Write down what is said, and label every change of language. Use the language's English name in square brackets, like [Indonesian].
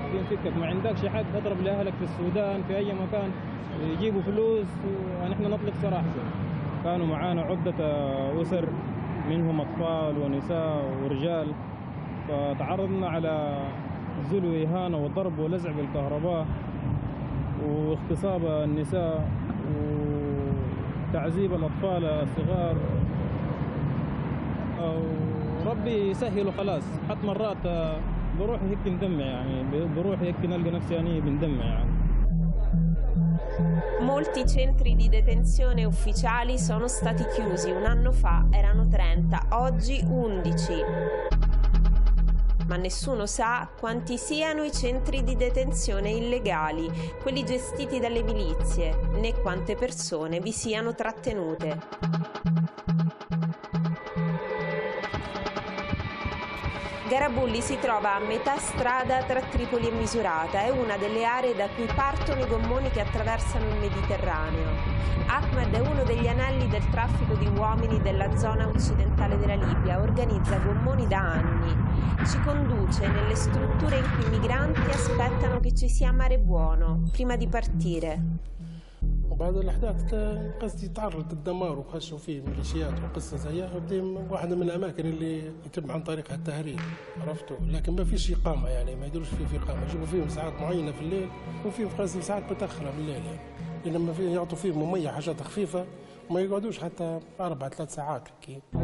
[Arabic] فكك ما عندكش حد تضرب لأهلك في السودان في أي مكان يجيبوا فلوس ونحن نطلق سراح كانوا معانا عدة أسر منهم أطفال ونساء ورجال فتعرضنا على ذل وإهانة وضرب ولزع بالكهرباء واغتصاب النساء وتعذيب الأطفال الصغار ربي يسهله خلاص حتى مرات بروح هيك ندمع يعني بروح هيك نلقى نفسي يعني بندمع يعني. [Italian] Molti centri di detenzione ufficiali sono stati chiusi. Un anno fa erano 30, oggi 11. Ma nessuno sa quanti siano i centri di detenzione illegali, quelli gestiti dalle milizie, né quante persone vi siano trattenute. Garabulli si trova a metà strada tra Tripoli e Misurata, è una delle aree da cui partono i gommoni che attraversano il Mediterraneo. Ahmed è uno degli anelli del traffico di uomini della zona occidentale della Libia, organizza gommoni da anni. Ci conduce nelle strutture in cui i migranti aspettano che ci sia mare buono, prima di partire. [Arabic] بعد الاحداث قصدي تعرض للدمار وخشوا فيه ميليشيات وقصه زي هذه واحده من الاماكن اللي يتم عن طريقها التهريب عرفتوا لكن ما فيش اقامه يعني ما يدروش فيه في اقامه يجيبوا فيهم ساعات معينه في الليل وفيهم خاصه ساعات متاخره في الليل يعني لما في يعطوا فيه مميه حاجات خفيفه وما يقعدوش حتى اربع ثلاث ساعات كي